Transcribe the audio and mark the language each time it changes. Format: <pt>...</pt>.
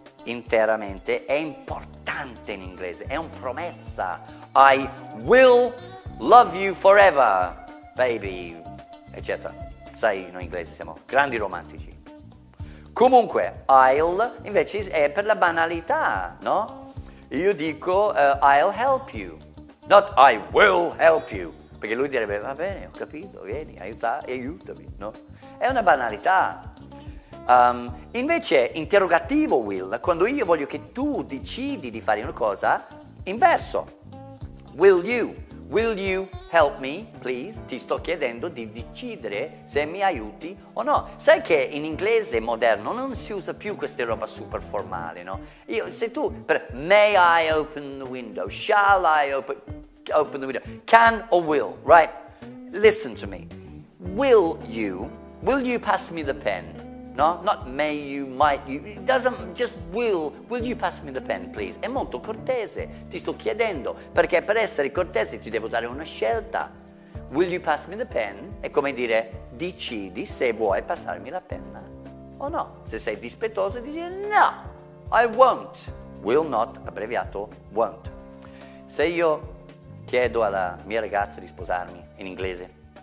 <it>interamente è importante in inglese, è una promessa.</it> <en>I will love you forever, baby, eccetera.</en> <it>Sai, noi in inglese siamo grandi romantici. Comunque, I'll invece è per la banalità, no? Io dico</it> <en>I'll help you, not I will help you.</en> <it>Perché lui direbbe, va bene, ho capito, vieni, aiutami, no? È una banalità. Invece, interrogativo will, quando io voglio che tu decidi di fare una cosa, inverso.</it> <en>Will you help me, please?</en> <it>Ti sto chiedendo di decidere se mi aiuti o no. Sai che in inglese moderno non si usa più queste roba super formali, no? Io, se tu, per</it> <en>may I open the window, shall I open... Open the window. Can or will, right? Listen to me. Will you pass me the pen? No? Not may you, might you. It doesn't, just will you pass me the pen, please?</en> <it>È molto cortese. Ti sto chiedendo, perché per essere cortese ti devo dare una scelta.</it> <en>Will you pass me the pen?</en> <it>È come dire, decidi se vuoi passarmi la penna o no. Se sei dispettoso, dici</it> <en>no, I won't. Will not,</en> <it>abbreviato</it> <en>won't.</en> <it>Se io chiedo alla mia ragazza di sposarmi in inglese.</it>